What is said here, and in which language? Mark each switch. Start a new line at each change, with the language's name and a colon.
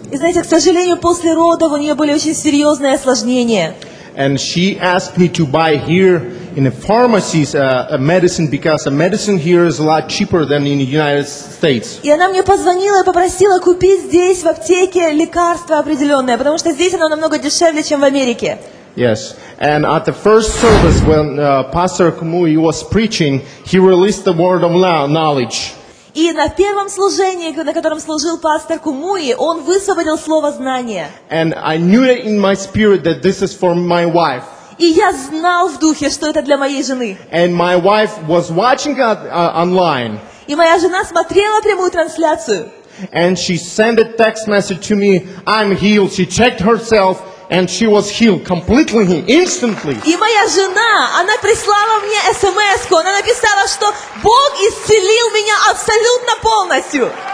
Russian: И знаете, к сожалению, после родов у нее были очень серьезные осложнения.
English: And she asked me to buy here in the pharmacies a medicine because a medicine here is a lot cheaper than in the United States.
Russian: И она мне позвонила и попросила купить здесь в аптеке лекарство определенное, потому что здесь оно намного дешевле, чем в Америке.
English: Yes, and at the first service when Pastor Kumuyi was preaching, he released the word of knowledge.
Russian: И на первом служении, на котором служил пастор Кумуи, он высвободил слово знания.
English: And I knew it in my spirit that this is for my wife.
Russian: И я знал в духе, что это для моей жены.
English: And my wife was watching online.
Russian: И моя жена смотрела прямую трансляцию.
English: And she sent a text message to me, I'm healed. She checked herself. And she was healed completely, instantly.
Russian: И моя жена, она прислала мне смс-ку. Она написала, что Бог исцелил меня абсолютно полностью.